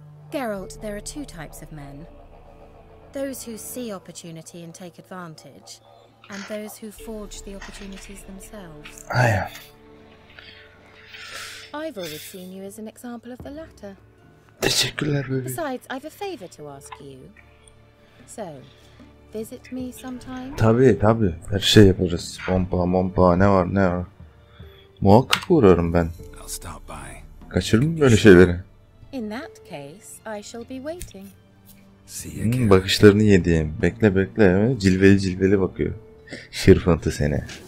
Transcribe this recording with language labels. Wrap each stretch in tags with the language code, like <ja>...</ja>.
<en>Geralt, there are two types of men. Those who see opportunity and take advantage, and those who forge the opportunities themselves. I am. I've always seen you as an example of the latter.</en> <tr>Teşekkürler, baby.</tr> <en>Besides, I've a favor to ask you. So, visit me sometime?</en> <tr>Tabii tabii, her şey yaparız. Bomba bomba, ne var ne var. Muhakkak uğrarım ben. Kaçırırım böyle şeyleri.</tr> <en>In that case, I shall be waiting.</en> <tr>Bakışlarını yediğim. Bekle bekle, cilveli cilveli bakıyor. Şırfıntı seni.</tr>